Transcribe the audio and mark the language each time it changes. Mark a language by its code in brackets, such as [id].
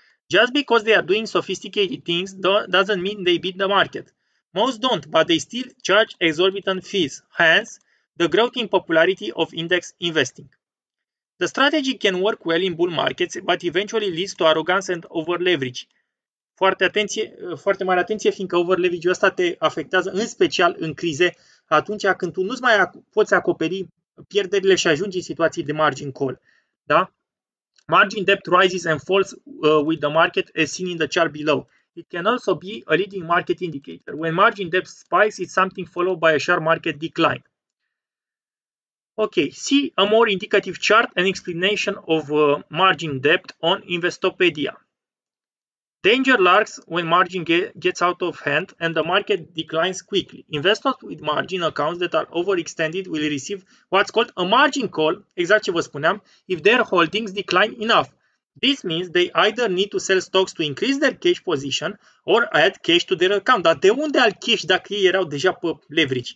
[en] Just because they are doing sophisticated things doesn't mean they beat the market. Most don't, but they still charge exorbitant fees, hence the growth in popularity of index investing. The strategy can work well in bull markets, but eventually leads to arrogance and overleverage. [ro] Foarte atenție, foarte mare atenție, fiindcă overleverage-ul ăsta te afectează în special în crize, atunci când tu nu-ți mai poți acoperi pierderile și ajungi în situații de margin call. Da? [en] Margin debt rises and falls with the market as seen in the chart below. It can also be a leading market indicator. When margin debt spikes, it's something followed by a sharp market decline. Ok, see a more indicative chart and explanation of margin debt on Investopedia. Danger lurks when margin gets out of hand and the market declines quickly. Investors with margin accounts that are overextended will receive what's called a margin call, [ro] exact ce vă spuneam, [en] if their holdings decline enough. This means they either need to sell stocks to increase their cash position or add cash to their account. [ro] Dar de unde al cash dacă ei erau deja pe leverage?